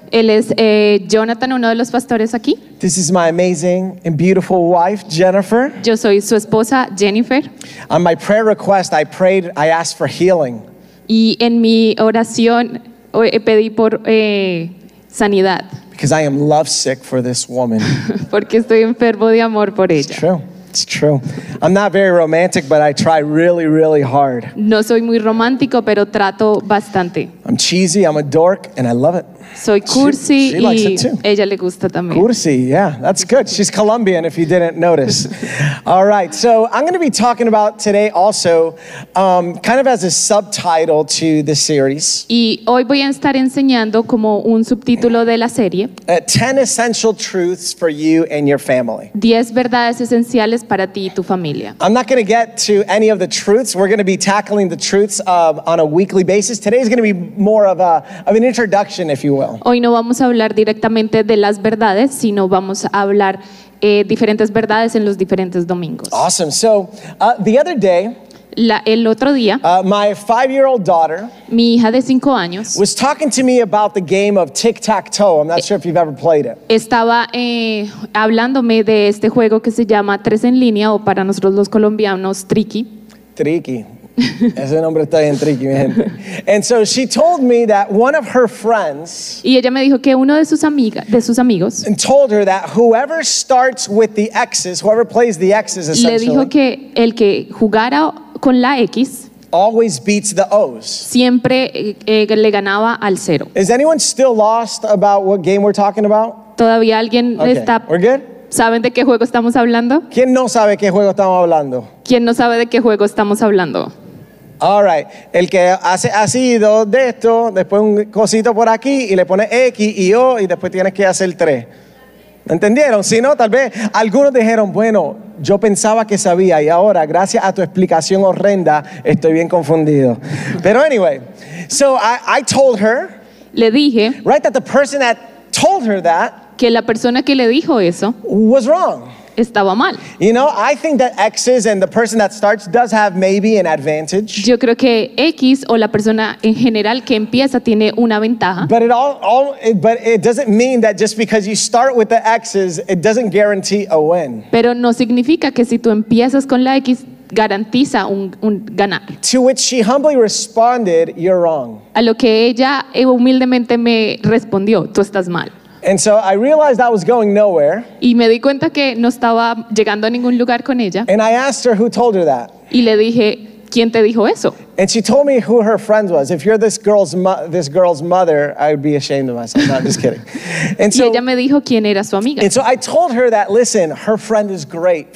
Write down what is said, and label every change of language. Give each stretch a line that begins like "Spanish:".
Spanish: Él es Jonathan, uno de los pastores aquí.
English: This is my amazing and beautiful wife, Jennifer.
Spanish: Yo soy su esposa, Jennifer.
English: On my prayer request, I asked for healing.
Spanish: Y en mi oración pedí por sanidad.
English: Because I am lovesick for this woman.
Spanish: Porque estoy enfermo de amor por ella.
English: It's true. It's true. I'm not very romantic, but I try really, really hard.
Spanish: No soy muy romántico, pero trato bastante.
English: I'm cheesy, I'm a dork, and I love it.
Spanish: Soy cursi
English: she
Spanish: y
English: likes it too.
Spanish: Ella le gusta también.
English: Cursi, yeah, that's good. She's Colombian, if you didn't notice. All right, so I'm going to be talking about today also, kind of as a subtitle to the series.
Spanish: Y hoy voy a estar enseñando como un subtítulo de la serie.
English: 10 essential truths for you and your family.
Spanish: 10 verdades esenciales para ti y tu familia.
English: I'm not going to get to any of the truths. We're going to be tackling the truths on a weekly basis. Today is going to be more of an introduction, if you will.
Spanish: Hoy no vamos a hablar directamente de las verdades, sino vamos a hablar diferentes verdades en los diferentes domingos.
English: Awesome. So, the other day,
Spanish: el otro día,
English: my five-year-old daughter,
Spanish: mi hija de 5 años,
English: was talking to me about the game of tic-tac-toe. I'm not sure if you've ever played it.
Spanish: Estaba hablándome de este juego que se llama tres en línea, o para nosotros los colombianos, tricky. Tricky. Ese nombre está bien tricky, mi gente.
English: And so she told me that one of her friends,
Spanish: y ella me dijo que uno de sus amigas, de sus amigos,
English: and told her that whoever starts with the X's, whoever plays the X's, essentially,
Spanish: le dijo que el que jugara con la X
English: always beats the O's.
Spanish: Siempre le ganaba al cero.
English: Is anyone still lost about what game we're talking about?
Spanish: ¿Todavía alguien está?
English: We're good?
Spanish: ¿Saben de qué juego estamos hablando? ¿Quién no sabe qué juego estamos hablando? ¿Quién no sabe de qué juego estamos hablando?
English: All right.
Spanish: El que hace así, dos de esto, después un cosito por aquí, y le pone X y O, y después tienes que hacer tres. ¿Entendieron? Si no, tal vez algunos dijeron, bueno, yo pensaba que sabía, y ahora, gracias a tu explicación horrenda, estoy bien confundido. Pero
English: anyway, so I told her,
Spanish: le dije,
English: right, that the person that told her that,
Spanish: que la persona que le dijo eso
English: was wrong.
Spanish: Estaba mal.
English: You know, I think that X's and the person that starts does have maybe an advantage.
Spanish: Yo creo que X o la persona en general que empieza tiene una ventaja.
English: But it doesn't mean that just because you start with the X's, it doesn't guarantee a win.
Spanish: Pero no significa que si tú empiezas con la X garantiza un ganar.
English: To which she humbly responded, "You're wrong."
Spanish: A lo que ella humildemente me respondió, "Tú estás mal."
English: And so I realized I was going nowhere.
Spanish: Y me di cuenta que no estaba llegando a ningún lugar con ella.
English: And I asked her who told her that.
Spanish: Y le dije, ¿quién te dijo eso?
English: And she told me who her friend was. If you're this girl's mother, I'd be ashamed of myself. No, I'm just kidding. And so,
Spanish: y ella me dijo quién era su amiga.
English: And so I told her that, listen, her friend is great.